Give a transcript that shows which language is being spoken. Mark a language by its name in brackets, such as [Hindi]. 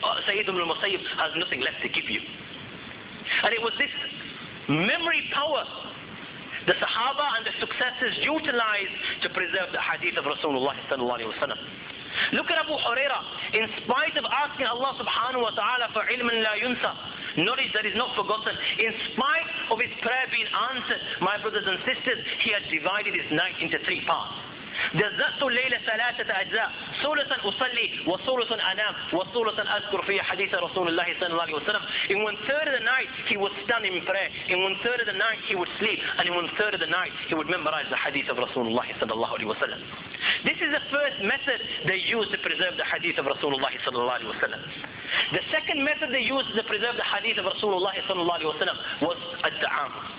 [English] Sayyid ibn al-Musayyib has nothing left to give you. And it was this memory power the Sahaba and the successors utilized to preserve the hadith of Rasulullah sallallahu alayhi wa sallam. Look at Abu Hurairah. In spite of asking Allah subhanahu wa ta'ala for ilman la yunsa, knowledge that is not forgotten. In spite of his prayer being answered, my brothers and sisters, he had divided his night into three parts. [Arabic] جزأت الليل ثلاثة أجزاء ثلثا أصلي وثلثا أنام وثلثا أذكر في حديث رسول الله صلى الله عليه وسلم. [English] In one third of the night he would stand in prayer, in one third of the night he would sleep, and in one third of the night he would memorize the hadith of [Arabic] رسول الله صلى الله عليه وسلم. [English] This is the first method they used to preserve the hadith of [Arabic] رسول الله صلى الله عليه وسلم. [English] The second method they used to preserve the hadith of [Arabic] رسول الله صلى الله عليه وسلم [English] was الدعام.